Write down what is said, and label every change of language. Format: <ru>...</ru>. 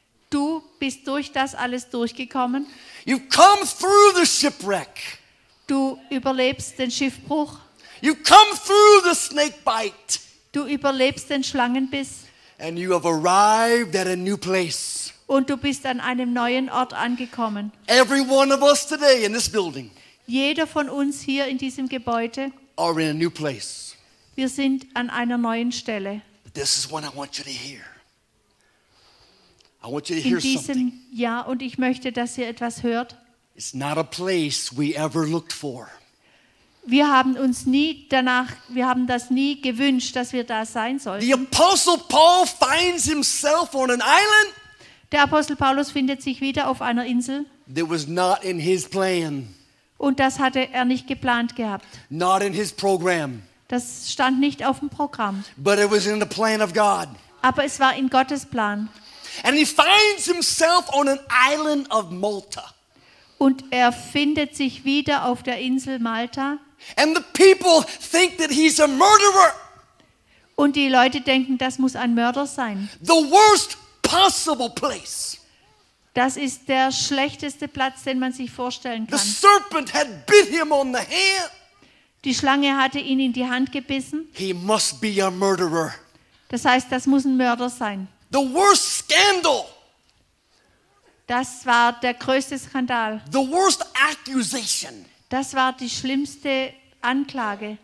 <de>Du bist durch das alles durchgekommen.</de> <en>You've come through the shipwreck.</en> <de>Du überlebst den Schiffbruch.</de> <en>You've come through the snake bite.</en> <de>Du überlebst den Schlangenbiss.</de> <en>And you have arrived at a new place.</en> <de>Und du bist an einem neuen Ort angekommen.</de> <en>Every one of us today in this building.</en> <de>Jeder von uns hier in diesem Gebäude.</de> <en>Are in a new place.</en> <de>Wir sind an einer neuen Stelle.</de> <en>But this is what I want you to hear. I want you to hear something.</en> <de>In diesem Jahr, und ich möchte, dass ihr etwas hört.</de> <en>It's not a place we ever looked for.</en> <de>Wir haben uns nie danach, wir haben das nie gewünscht, dass wir da sein sollten.</de> <en>The Apostle Paul finds himself on an island.</en> <de>Der Apostel Paulus findet sich wieder auf einer Insel.</de> <en>That was not in his plan.</en> <de>Und das hatte er nicht geplant gehabt.</de> <en>Not in his program.</en> <de>Das stand nicht auf dem Programm.</de> <en>But it was in the plan of God.</en> <de>Aber es war in Gottes Plan.</de> <en>And he finds himself on an island of Malta.</en> <de>Und er findet sich wieder auf der Insel Malta.</de> <en>And the people think that he's a murderer.</en> <de>Und die Leute denken, das muss ein Mörder sein.</de> <en>The worst possible place.</en> <de>Das ist der schlechteste Platz, den man sich vorstellen kann.</de> <en>The serpent had bit him on the hand.</en> <de>Die Schlange hatte ihn in die Hand gebissen.</de> <en>He must be a murderer.</en> <de>Das heißt, das muss ein Mörder sein.</de> <en>The worst scandal.</en> <de>Das war der größte Skandal.</de> <en>The worst accusation.</en> <de>Das war die schlimmste Anklage.</de>